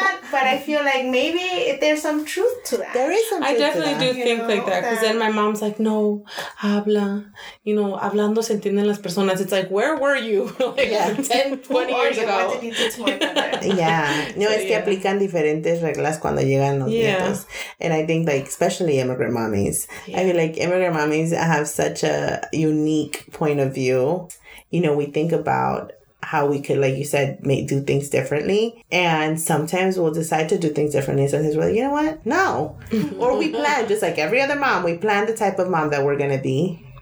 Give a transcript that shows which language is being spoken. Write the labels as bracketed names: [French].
[English] But I feel like maybe there's some truth to that. There is some truth to that. I definitely do think like that. Because then my mom's like, [Spanish] no, habla. Hablando se entienden las personas. [English] It's like, where were you? 10, 20 years ago. What did you do to my mother? [Spanish] Yeah. No, es que aplican diferentes reglas cuando llegan los nietos. [English] And I think especially immigrant mommies. Yeah. I feel like immigrant mommies have such a unique point of view. We think about how we could, like you said, do things differently. And sometimes we'll decide to do things differently. Sometimes we're like, No. Or we plan, just like every other mom, we plan the type of mom that we're going to be.